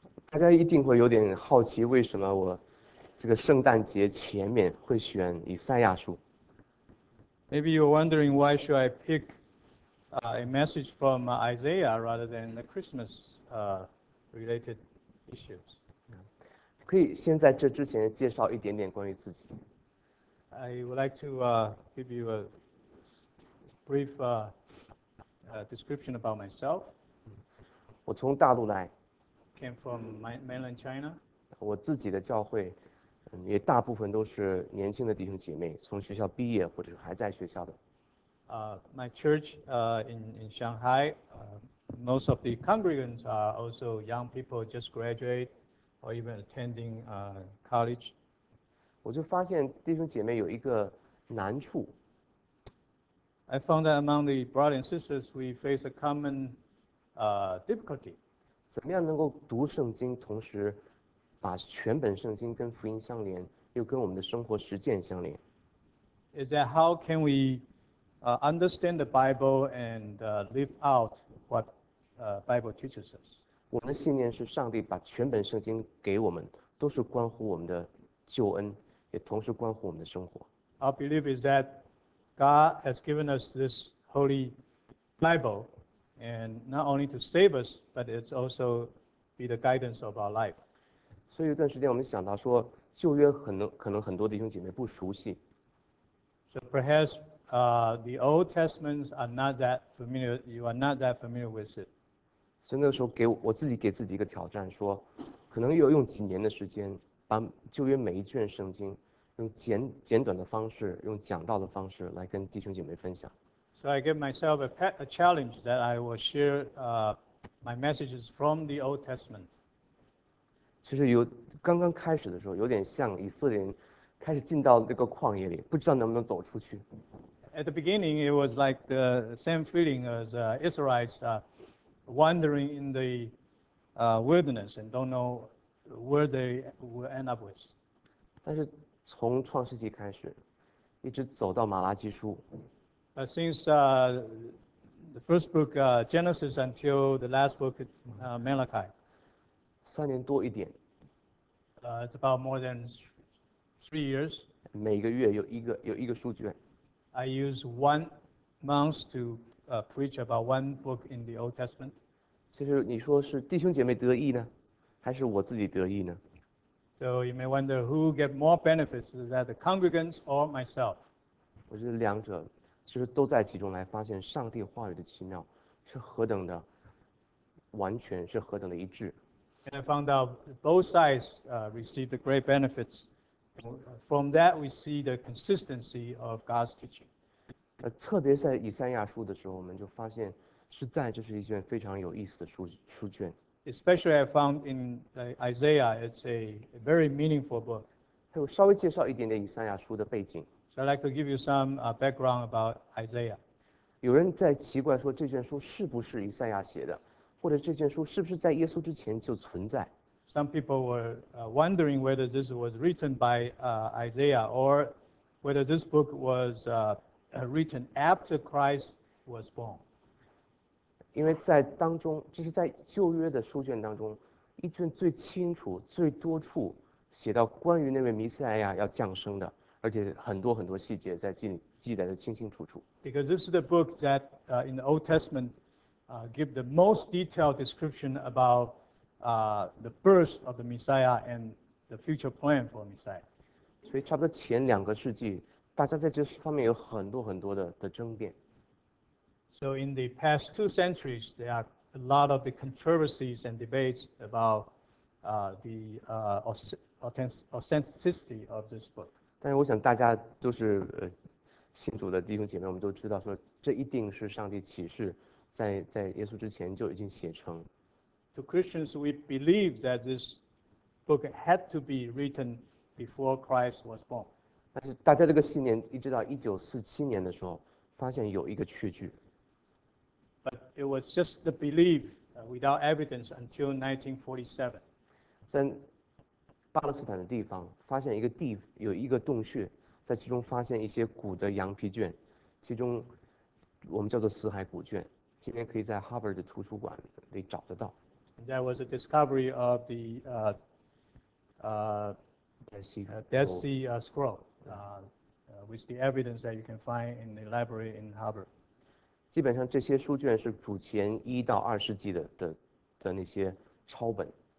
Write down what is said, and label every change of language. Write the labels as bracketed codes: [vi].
[zh] 大家一定会有点好奇，为什么我这个圣诞节前面会选以赛亚书？ [en] Maybe you're wondering why should I pick a message from Isaiah rather than the Christmas related issues? [zh] 可以先在这之前介绍一点点关于自己。 [en] I would like to give you a brief description about myself. [zh] 我从大陆来， [en] Came from mainland China. [zh] 我自己的教会，也大部分都是年轻的弟兄姐妹，从学校毕业或者还在学校的。 [en] My church in Shanghai, most of the congregants are also young people just graduate or even attending college. [zh] 我就发现弟兄姐妹有一个难处。 [en] I found that among the brothers and sisters, we face a common difficulty. [zh] 怎么样能够读圣经，同时把全本圣经跟福音相连，又跟我们的生活实践相连？ [en] Is that how can we understand the Bible and live out what Bible teaches us? [zh] 我们的信念是上帝把全本圣经给我们，都是关乎我们的救恩，也同时关乎我们的生活。 [en] Our belief is that God has given us this holy Bible, and not only to save us, but it's also be the guidance of our life. [zh] 所以有段时间，我们想到说，旧约可能很多弟兄姐妹不熟悉。 [en] So perhaps the Old Testaments are not that familiar. You are not that familiar with it. [zh] 所以那个时候我自己给自己一个挑战，说，可能要用几年的时间，把旧约每一卷圣经，用简短的方式，用讲道的方式来跟弟兄姐妹分享。 [en] So I give myself a challenge that I will share my messages from the Old Testament. [zh] 其实刚刚开始的时候，有点像以色列人开始进到这个旷野里，不知道能不能走出去。 [en] At the beginning, it was like the same feeling as Israelites wandering in the wilderness and don't know where they will end up with. [zh] 但是从创世纪开始，一直走到马拉基书。 [en] But since the first book, Genesis, until the last book, Malachi. [zh] 3年多一点。 [en] It's about more than 3 years. [zh] 每个月有一个书卷。 [en] I use 1 month to preach about 1 book in the Old Testament. [zh] 其实你说是弟兄姐妹得益呢，还是我自己得益呢 [en] ？So you may wonder who get more benefits, is that the congregants or myself? [zh] 我觉得两者其实都在其中来发现上帝话语的奇妙是何等的完全，是何等的一致。 [en] And I found out both sides received the great benefits. From that, we see the consistency of God's teaching. [zh] 特别在以赛亚书的时候，我们就发现，实在这是一卷非常有意思的书卷。 [en] Especially, I found in Isaiah, it's a very meaningful book. [zh] 还有稍微介绍一点点以赛亚书的背景。 [en] So I'd like to give you some background about Isaiah. [zh] 有人在奇怪说这卷书是不是以赛亚写的？或者这卷书是不是在耶稣之前就存在 [en] ？Some people were wondering whether this was written by Isaiah or whether this book was written after Christ was born. [zh] 因为在当中，这是在旧约的书卷当中，一卷最清楚、最多处写到关于那位弥赛亚要降生的，而且很多很多细节在记载的清清楚楚。 [en] Because this is the book that in the Old Testament. Give the most detailed description about the birth of the Messiah and the future plan for Messiah. [zh] 所以差不多前两个世纪，大家在这方面有很多很多的争辩。 [en] So in the past 2 centuries, there are a lot of the controversies and debates about the authenticity of this book. [zh] 但是我想大家都是信主的弟兄姐妹，我们都知道说这一定是上帝启示。在耶稣之前就已经写成。 [en] To Christians, we believe that this book had to be written before Christ was born. [zh] 但是大家这个信念一直到1947年的时候，发现有一个缺据。 [en] But it was just the belief without evidence until 1947. [zh] 在巴勒斯坦的地方发现有一个洞穴，在其中发现一些古的羊皮卷，其中我们叫做死海古卷。今天可以在 Harvard 图书馆里找得到。 [en] That was a discovery of the Dead Sea Scroll, with the evidence that you can find in the library in Harvard. [zh] 基本上这些书卷是主前一到二世纪的那些抄本。